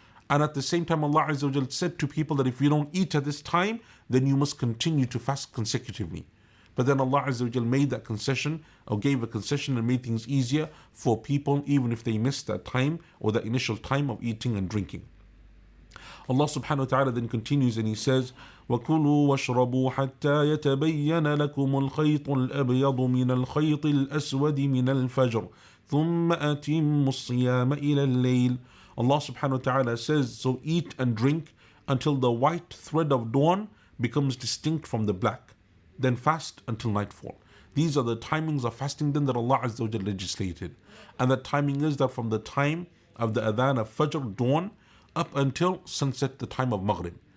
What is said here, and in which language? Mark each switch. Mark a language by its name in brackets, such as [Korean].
[English] And at the same time, Allah Azza wa Jalla said to people that if you don't eat at this time, then you must continue to fast consecutively. But then Allah Azza wa Jalla made that concession, or gave a concession and made things easier for people, even if they missed that time or that initial time of eating and drinking. Allah subhanahu wa ta'ala then continues and He says, [Arabic] وَكُلُوا وَاشْرَبُوا حَتَّى يَتَبَيَّنَ لَكُمُ الْخَيْطُ الْأَبْيَضُ مِنَ الْخَيْطِ الْأَسْوَدِ مِنَ الْفَجْرِ ثُمَّ أَتِمُّ الصِّيَامَ إِلَى اللَّيْلِ. [English] Allah subhanahu wa ta'ala says, so eat and drink until the white thread of dawn becomes distinct from the black. Then fast until nightfall. These are the timings of fasting then that Allah Azza wa Jalla legislated. And the timing is that from the time of the adhan of Fajr, dawn, up until sunset, the time of Maghrib.